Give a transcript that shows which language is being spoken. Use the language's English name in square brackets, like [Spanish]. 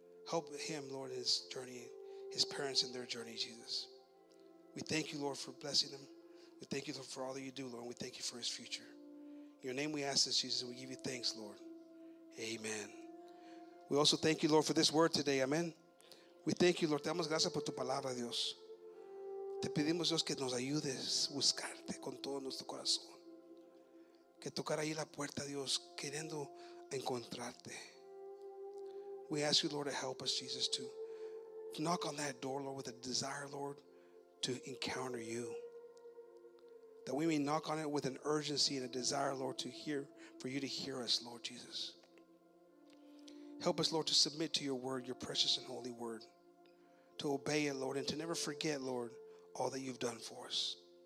[English] Help him, Lord, in his journey, his parents in their journey, Jesus. We thank you, Lord, for blessing him. We thank you, Lord, for all that you do, Lord. We thank you for his future. In your name we ask this, Jesus, and we give you thanks, Lord. Amen. We also thank you, Lord, for this word today. [Spanish] Amen. [English] We thank you, Lord. [Spanish] Te damos gracias por tu palabra, Dios. Te pedimos, Dios, que nos ayudes a buscarte con todo nuestro corazón. Que tocar ahí la puerta, Dios, queriendo encontrarte. [English] We ask you, Lord, to help us, Jesus, to knock on that door, Lord, with a desire, Lord, to encounter you. That we may knock on it with an urgency and a desire, Lord, to hear, for you to hear us, Lord Jesus. Help us, Lord, to submit to your word, your precious and holy word, to obey it, Lord, and to never forget, Lord, all that you've done for us.